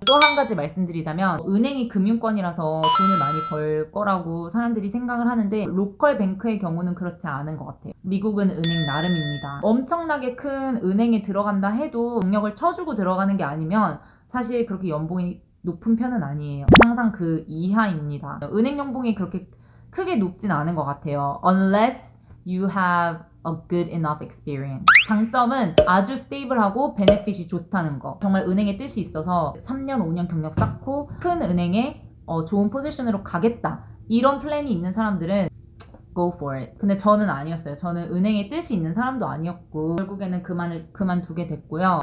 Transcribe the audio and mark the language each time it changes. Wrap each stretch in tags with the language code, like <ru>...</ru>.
<ko>또 한 가지 말씀드리자면, 은행이 금융권이라서 돈을 많이 벌 거라고 사람들이 생각을 하는데 로컬 뱅크의 경우는 그렇지 않은 것 같아요. 미국은 은행 나름입니다. 엄청나게 큰 은행에 들어간다 해도 능력을 쳐주고 들어가는 게 아니면 사실 그렇게 연봉이 높은 편은 아니에요. 항상 그 이하입니다. 은행 연봉이 그렇게 크게 높진 않은 것 같아요.</ko> <en>Unless you have a good enough experience.</en> <ko>장점은 아주 스테이블하고 베네핏이 좋다는 거. 정말 은행에 뜻이 있어서 3년, 5년 경력 쌓고 큰 은행에 좋은 포지션으로 가겠다, 이런 플랜이 있는 사람들은</ko> <en>go for it.</en> <ko>근데 저는 아니었어요. 저는 은행에 뜻이 있는 사람도 아니었고 결국에는 그만두게 됐고요.</ko>